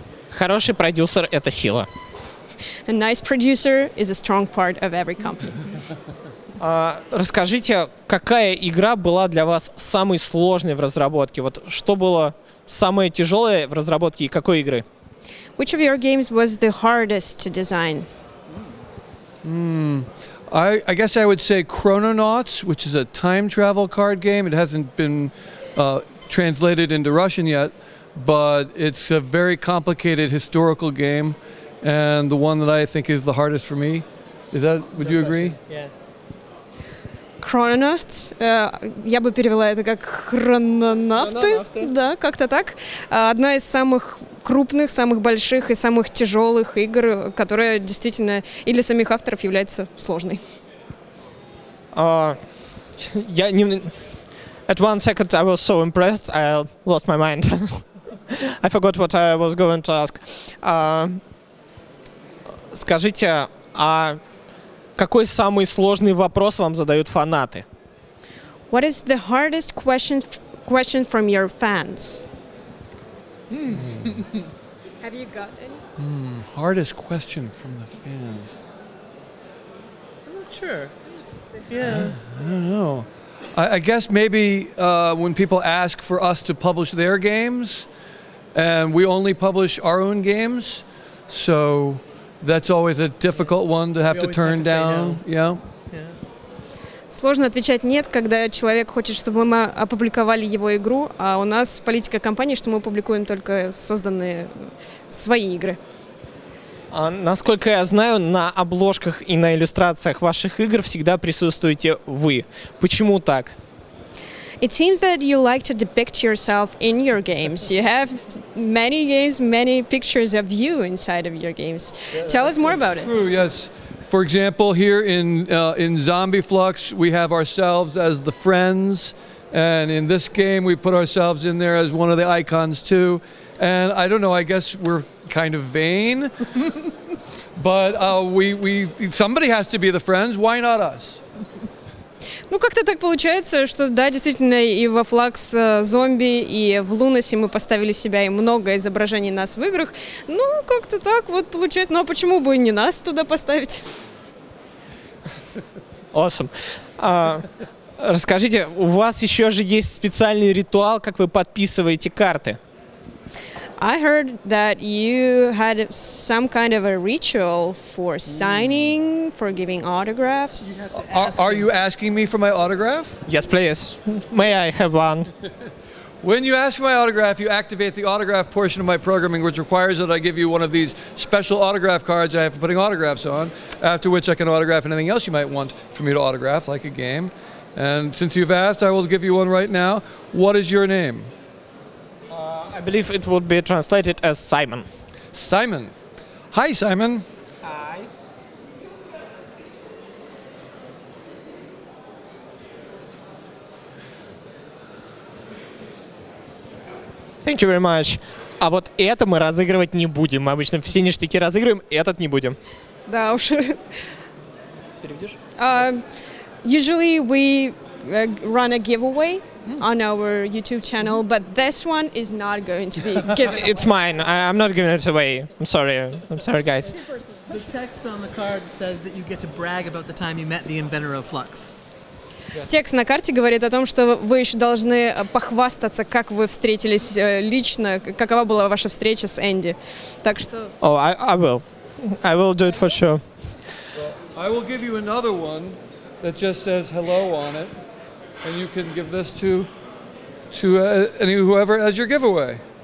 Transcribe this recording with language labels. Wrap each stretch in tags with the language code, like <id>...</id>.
<ru>Хороший продюсер — это сила.</ru> <en>A nice producer is a strong part of every company.</en> <ru>Расскажите, какая игра была для вас самой сложной в разработке? Вот что было самое тяжелое в разработке и какой игры?</ru> <en>Which of your games was the hardest to design? I guess I would say Chrononauts, which is a time travel card game. It hasn't been translated into Russian yet, but it's a very complicated historical game, and the one that I think is the hardest for me. Is that, would you agree? Yeah.</en> <ru>Chrononauts, я бы перевела это как хрононавты, да, как-то так. Одна из самых крупных, самых больших и самых тяжелых игр, которая действительно и для самих авторов является сложной. Я не...</ru> <en>At one second I was so impressed, I lost my mind. I forgot what I was going to ask.</en> <ru>Скажите, а какой самый сложный вопрос вам задают фанаты?</ru> <en>What is the hardest question from your fans? Have you got any? Hardest question from the fans. I'm not sure. Yeah. I don't know. I guess maybe when people ask for us to publish their games, and we only publish our own games, so that's always a difficult one to have to turn down. Yeah.</en> <ru>Сложно отвечать «нет», когда человек хочет, чтобы мы опубликовали его игру, а у нас политика компании, что мы публикуем только созданные свои игры. Насколько я знаю, на обложках и на иллюстрациях ваших игр всегда присутствуете вы. Почему так?</ru> <en>It seems that you like to depict yourself in your games. You have many games, many pictures of you inside of your games. Tell us more about it. True, yes. For example, here in Zombie Flux, we have ourselves as the friends, and in this game, we put ourselves in there as one of the icons too. And I don't know, I guess we're kind of vain. But we somebody has to be the friends. Why not us?</en> <ru>Ну, как-то так получается, что да, действительно, и во Flux Zombie, и в Lunacy мы поставили себя, и много изображений нас в играх. Ну, как-то так вот получается. Ну, а почему бы и не нас туда поставить?</ru> <en>Awesome.</en> <ru>Расскажите, у вас еще же есть специальный ритуал, как вы подписываете карты?</ru> <en>I heard that you had some kind of a ritual for signing, for giving autographs. Are you asking me for my autograph? Yes, please. May I have one? When you ask for my autograph, you activate the autograph portion of my programming, which requires that I give you one of these special autograph cards I have for putting autographs on, after which I can autograph anything else you might want for me to autograph, like a game. And since you've asked, I will give you one right now. What is your name? I believe it would be translated as Simon. Simon. Hi, Simon. Hi. Thank you very much.</en> <ru>А вот это мы разыгрывать не будем. Мы обычно все ништяки разыгрываем, этот не будем. Да уж. Переведешь?</ru> <en>Usually we run a giveaway on our YouTube channel, but this one is not going to be given away. It's mine. I'm not giving it away. I'm sorry. I'm sorry, guys. The text on the card says that you get to brag about the time you met the inventor of Flux.</en> <ru>Текст на карте говорит о том, что вы еще должны похвастаться, как вы встретились лично, какова была ваша встреча с Энди. Так что...</ru> <en>Oh, I will. I will do it for sure. I will give you another one that just says hello on it. And you can give this to whoever as your giveaway.</en>